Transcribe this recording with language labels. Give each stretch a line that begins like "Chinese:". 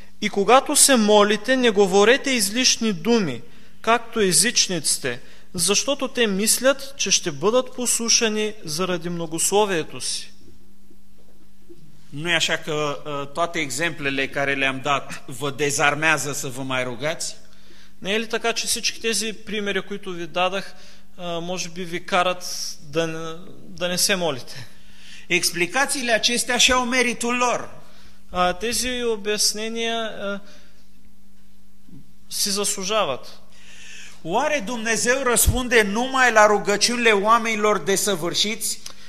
Bulgarian: И когато се молите, не говорете излишни думи, както езичниците, защото те мислят, че ще бъдат послушани заради многословието си.
Romanian: Nu e așa că toate exemplele care le-am dat vă dezarmează să vă mai rugați?
Bulgarian: Не е ли така, че всички тези примери, които ви дадах, може би ви карат да не се молите?
Romanian: Explicațiile acestea și-au meritul lor.
Bulgarian: Тези обяснения си заслужават.
Romanian: Oare Dumnezeu răspunde numai la rugăciunile oamenilor desăvârșiți?